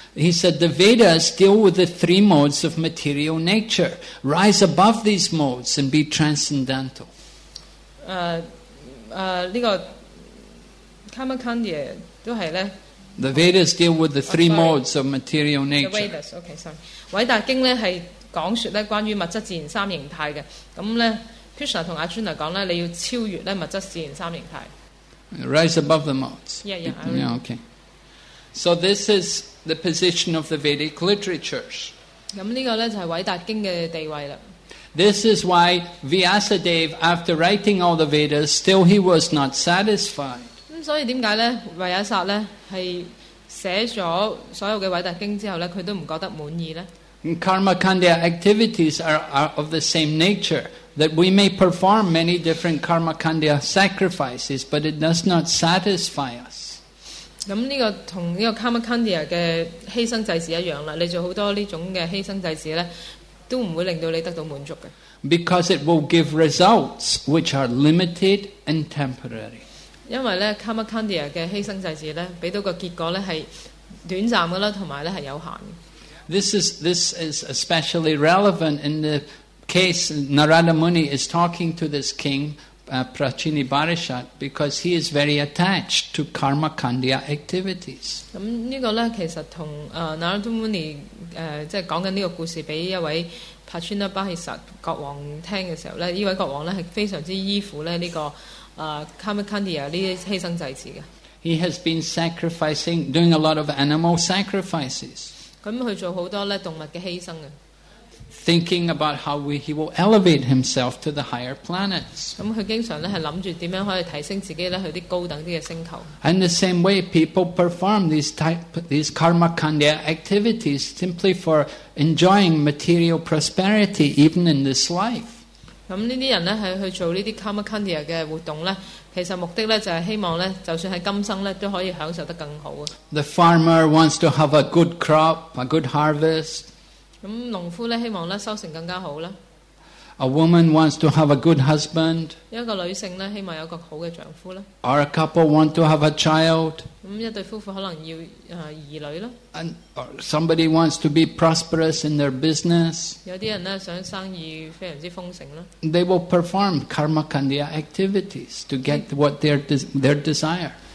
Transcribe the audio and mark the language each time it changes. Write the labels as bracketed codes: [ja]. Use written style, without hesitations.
[en] He said the Vedas deal with the three modes of material nature. Rise above these modes and be transcendental. [yue] 呢個 Karmakandiya 都係咧。 [en] The Vedas deal with the three modes of material nature. The Vedas, okay, sorry. [yue] 偉大經咧係講説咧關於物質自然三形態嘅。咁咧 ，Krishna 同 Arjuna 講咧，你要超越咧物質自然三形態。 [en] Rise above the modes. Yeah, okay. So this is the position of the Vedic literatures. [yue] 咁呢個咧就係偉達經嘅地位啦。 [en] This is why Vyasadeva, after writing all the Vedas, still he was not satisfied. [yue] 咁所以點解咧？維亞薩咧係寫咗所有嘅偉達經之後咧，佢都唔覺得滿意咧。 [en] Karmakandiya activities are of the same nature, that we may perform many different Karmakandiya sacrifices, but it does not satisfy us. [yue] 咁呢個同呢個 Karmakandiya 嘅犧牲祭祀一樣啦，你做好多呢種嘅犧牲祭祀咧，都唔會令到你得到滿足嘅。 [en] Because it will give results which are limited and temporary. [yue] 因為咧 Karmakandiya 嘅犧牲祭祀咧，俾到個結果咧係短暫嘅啦，同埋咧係有限。 [en] This is especially relevant in the case Narada Muni is talking to this king, Prachini Barishat, because he is very attached to Karmakandiya activities. [yue] 咁呢個咧，其實同Narada Muni 即係講緊呢個故事俾一位 Prachini Barishat 國王聽嘅時候咧，呢位國王咧係非常之依附咧呢個Karmakandiya 呢啲犧牲祭祀嘅。 [en] He has been sacrificing, doing a lot of animal sacrifices. [yue] 咁佢做好多咧動物嘅犧牲嘅。 [en] Thinking about how he will elevate himself to the higher planets。 [yue] 咁佢經常咧係諗住點樣可以提升自己咧去啲高等啲嘅星球。 [en] And the same way, people perform these Karmakandiya activities simply for enjoying material prosperity, even in this life。 [yue] 咁呢啲人咧係去做呢啲 Karmakandiya 嘅活動咧。其實目的咧就係希望咧，就算喺今生咧都可以享受得更好啊。 [en] The farmer wants to have a good crop, a good harvest. [yue] 咁農夫咧希望咧收成更加好啦。 [en] A woman wants to have a good husband. [yue] 一個女性咧，希望有一個好嘅丈夫咧。 [en] Or a couple want to have a child. [yue] 咁一對夫婦可能要兒女咯。 [en] And somebody wants to be prosperous in their business. [yue] 有啲人咧想生意非常之豐盛咯。 [en] They will perform karmakandiya activities to get what their desire.